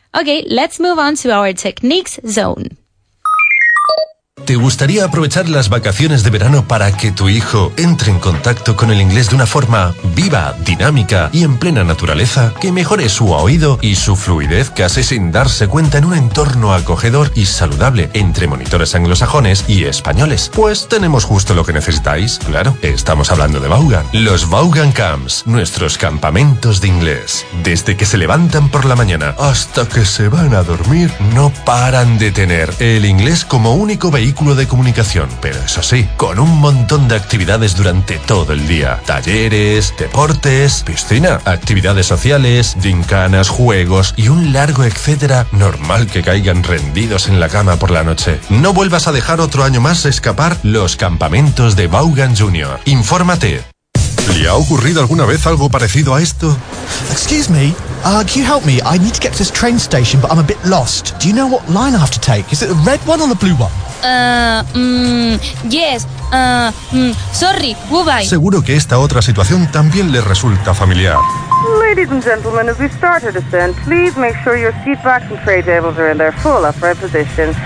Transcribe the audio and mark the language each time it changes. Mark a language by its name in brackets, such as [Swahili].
[English] Ok, let's move on to our techniques zone. [Spanish] ¿Te gustaría aprovechar las vacaciones de verano para que tu hijo entre en contacto con el inglés de una forma viva, dinámica y en plena naturaleza? Que mejore su oído y su fluidez casi sin darse cuenta en un entorno acogedor y saludable entre monitores anglosajones y españoles. Pues tenemos justo lo que necesitáis, claro. Estamos hablando de Vaughan. Los Vaughan Camps, nuestros campamentos de inglés. Desde que se levantan por la mañana hasta que se van a dormir, no paran de tener el inglés como único vehículo de comunicación, pero eso sí, con un montón de actividades durante todo el día. Talleres, deportes, piscina, actividades sociales, gincanas, juegos y un largo etcétera, normal que caigan rendidos en la cama por la noche. No vuelvas a dejar otro año más escapar los campamentos de Vaughan Junior. Infórmate. ¿Le ha ocurrido alguna vez algo parecido a esto? [English] Excuse me. Can you help me? I need to get to this train station, but I'm a bit lost. Do you know what line I have to take? Is it the red one or the blue one? Yes. Sorry. Goodbye. [Spanish] Seguro que esta otra situación también le resulta familiar. [English] Ladies and gentlemen, as we start our descent, please make sure your seatbacks and tray tables are in their full upright position.